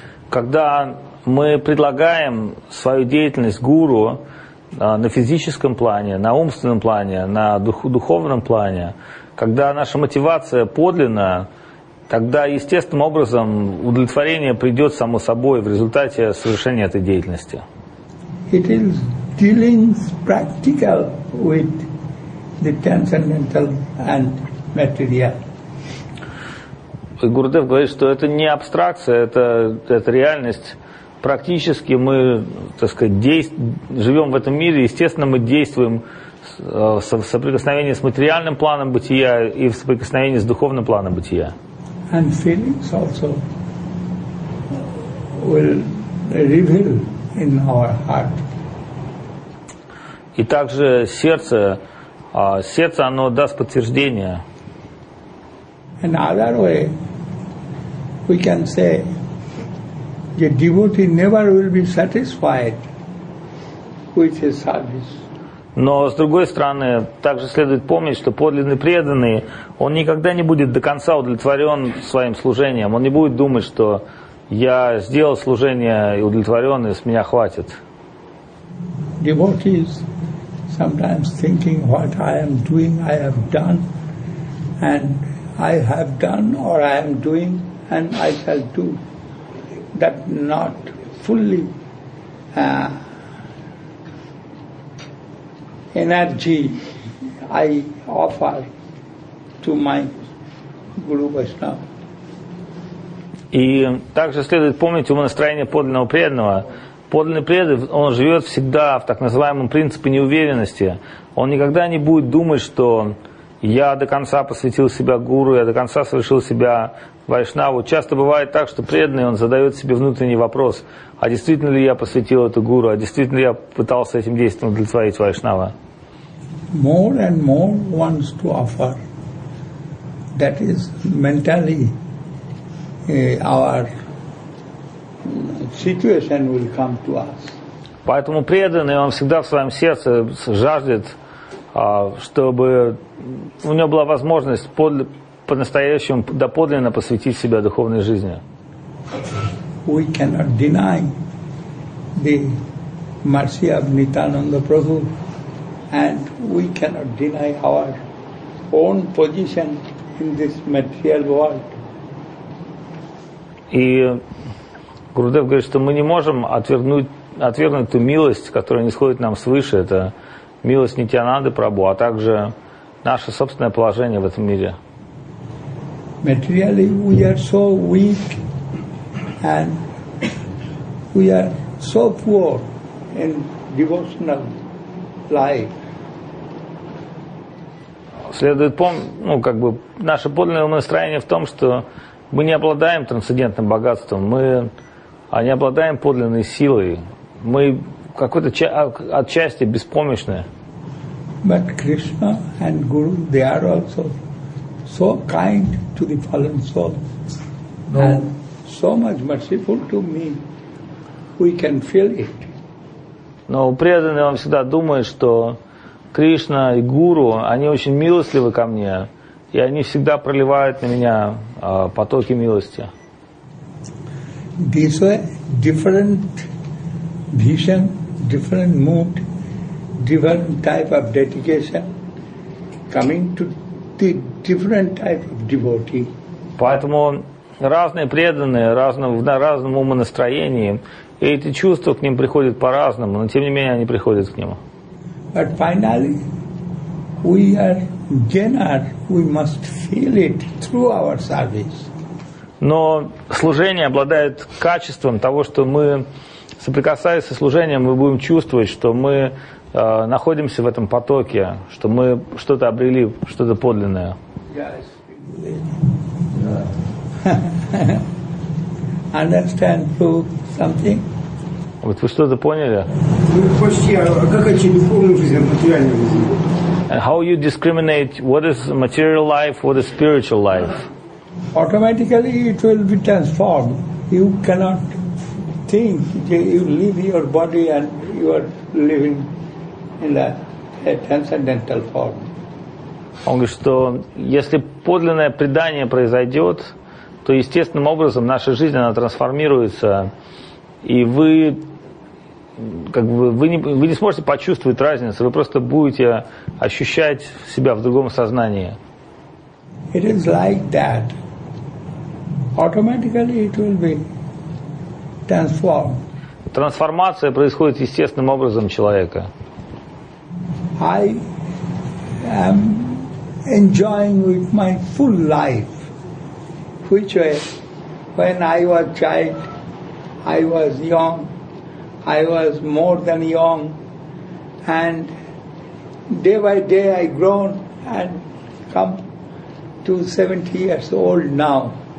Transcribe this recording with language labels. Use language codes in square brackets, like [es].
[ru] Когда мы предлагаем свою деятельность гуру на физическом плане, на умственном плане, на духовном плане, когда наша мотивация подлинна, тогда естественным образом удовлетворение придет само собой в результате совершения этой деятельности. [en] It is dealing practical with the transcendental and material. [ru] Гурудев говорит, что это не абстракция, это реальность. Практически мы, так сказать, живем в этом мире, естественно, мы действуем в соприкосновении с материальным планом бытия и в соприкосновении с духовным планом бытия. [en] And feelings also will reveal in our heart. [ru] И также сердце, оно даст подтверждение. [en] Another way. We can say the devotee never will be satisfied with his service. [ru] Но с другой стороны, также следует помнить, что подлинный преданный, он никогда не будет до конца удовлетворен своим служением. Он не будет думать, что я сделал служение и удовлетворен, и с меня хватит. [en] Devotees sometimes thinking what I am doing, I have done, and I have done or I am doing. And I shall do that not fully energy I offer to my Guru Vaishnava. [ru] И также следует помнить о настроении подлинного преданного. Подлинный преданный, он живет всегда в так называемом принципе неуверенности. Он никогда не будет думать, что я до конца посвятил себя гуру, я до конца совершил себя вайшнаву. Часто бывает так, что преданный, он задает себе внутренний вопрос, а действительно ли я посвятил эту гуру, а действительно ли я пытался этим действием удовлетворить вайшнава. [en] More and more wants to offer. That is mentally our situation will come to us. [ru] Поэтому преданный, он всегда в своем сердце жаждет, чтобы у него была возможность по-настоящему, доподлинно посвятить себя духовной жизни. [en] We cannot deny the mercy of Nityananda Prabhu, and we cannot deny our own position in this material world. [ru] И Гурудев говорит, что мы не можем отвергнуть ту милость, которая нисходит нам свыше, это милость Нитьянанды Прабху, а также наше собственное положение в этом мире. [en] Materially we are so weak and we are so poor in devotional life. [ru] Следует помнить, ну как бы наше подлинное настроение в том, что мы не обладаем трансцендентным богатством, мы не обладаем подлинной силой, мы какой-то отчасти беспомощны. [en] But Krishna and Guru, they are also so kind to the fallen soul and so much merciful to me. We can feel it. [ru] Но преданный он всегда думает, что Кришна и Гуру, они очень милостливы ко мне, и они всегда проливают на меня потоки милости. [en] This way, different vision, different mood, different type of dedication, coming to the different type of devotee. [ru] Поэтому разные преданные, в разном умонастроении, и эти чувства к ним приходят по-разному, но тем не менее они приходят к нему. [en] But finally, we are gainer, we must feel it through our service. [ru] Но служение обладает качеством того, что мы, соприкасаясь со служением, мы будем чувствовать, что мы находимся в этом потоке, что мы что-то обрели, что-то подлинное. [en] Understand something? [ru] Вот вы что-то поняли? Ну, почти, а как эти духовные жизни, материальные жизни? [en] How you discriminate what is material life, what is spiritual life? Automatically it will be transformed. You cannot think you leave your body and you are living in a transcendental form. [ru] Он говорит, что если подлинное предание произойдет, то естественным образом наша жизнь она трансформируется, и вы как бы вы не сможете почувствовать разницу, вы просто будете ощущать себя в другом сознании. [en] It is like that. Automatically it will be transformed. [ru] Трансформация происходит естественным образом человека. [en] I am enjoying with my full life, which way, when I was child, I was young, I was more than young, and day by day I grown and come to 70 years old now.